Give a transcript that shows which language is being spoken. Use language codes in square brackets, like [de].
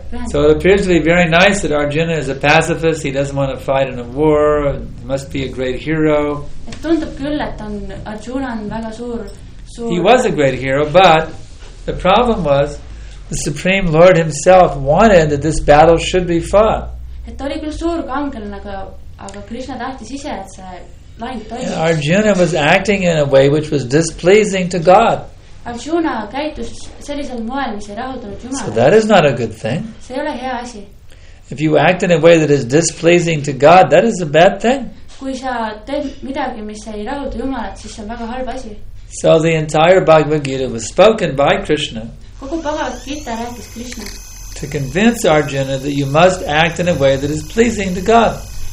[en] So it appears to be very nice that Arjuna is a pacifist. He doesn't want to fight in a war. He must be a great hero. He was a great hero, but the problem was the Supreme Lord himself wanted that this battle should be fought. [et] Et oli küll suur kangelane, aga Krishna tahtis ise, et see lahing toimus. [en] Arjuna was acting in a way which was displeasing to God. [et] Arjuna käitus sellisel moel, mis ei rahuldanud Jumala. [en] So that is not a good thing. [et] See ei ole hea asi. [en] If you act in a way that is displeasing to God, that is a bad thing. [et] Kui sa teed midagi, mis ei rahulda Jumalat, siis see on väga halb asi. [en] So the entire Bhagavad Gita was spoken by Krishna. [et] Kogu Bhagavad Gita rääkis Krishna. [en] To convince Arjuna that you must act in a way that is pleasing to God.